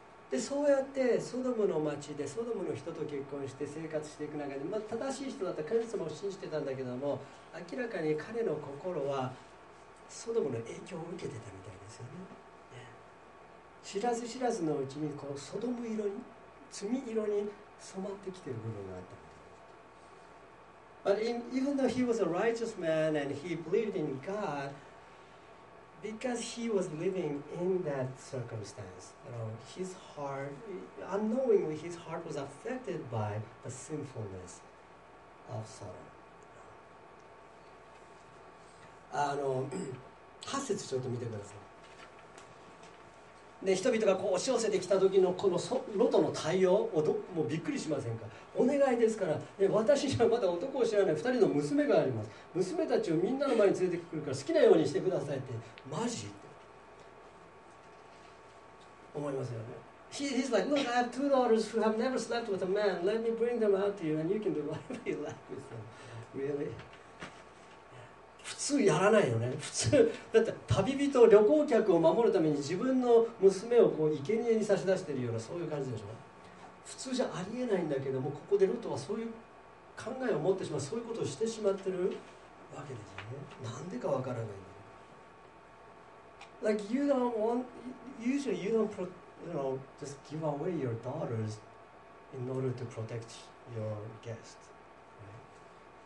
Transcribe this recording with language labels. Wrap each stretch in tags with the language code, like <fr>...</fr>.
<ja>でそうやってソドムの町でソドムの人と結婚して生活していく中で、まあ、正しい人だった神様を信じてたんだけども、明らかに彼の心はソドムの影響を受けてたみたいですよね。知らず知らずのうちにこうソドム色に罪色に染まってきている部分があった。</ja> <en>But in, even though he was a righteous man and he believed in God, because he was living in that circumstance, you know, his heart, unknowingly, his heart was affected by the sinfulness of Sodom.</en> <ja>あの、八節ちょっと見てください。で、人々がこう押し寄せてきた時のこのロトの対応をもうびっくりしませんか。お願いですから、ね、私にはまだ男を知らない2人の娘があります。娘たちをみんなの前に連れてくるから好きなようにしてくださいって、マジって思いますよね。</ja> <en>He's like, look, I have two daughters who have never slept with a man. Let me bring them out to you and you can do whatever you like with them. Really?</en> <ja>普通やらないよね。普通だって旅人旅行客を守るために自分の娘をこう生贄に差し出しているようなそういう感じでしょ。普通じゃありえないんだけども、ここでロトはそういう考えを持ってしまう、そういうことをしてしまってるわけですよね。なんでかわからない。</ja> <en>Like you don't want, usually you don't pro, you know, just give away your daughters in order to protect your guest, right?</en>